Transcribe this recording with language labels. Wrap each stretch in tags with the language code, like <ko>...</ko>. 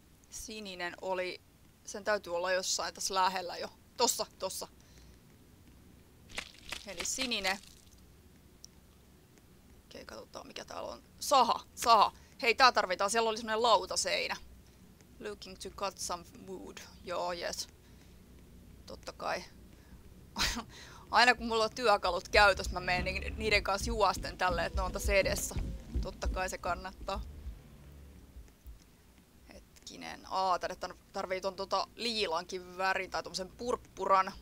<fi>Sininen oli... Sen täytyy olla jossain tässä lähellä jo. Tossa! Eli sininen. Okei, katsotaan mikä täällä on. Saha! Hei, tää tarvitaan. Siellä oli semmonen lautaseinä.</fi> <en>Looking to cut some wood.</en> <fi>Joo, yes. Totta kai. Aina kun mulla on työkalut käytössä, mä menen niiden kanssa juosten tälleen, että ne on tässä edessä. Totta kai se kannattaa. Hetkinen. Aa, tänne tarvii ton tota liilankin värin tai tommosen purppuran.</fi>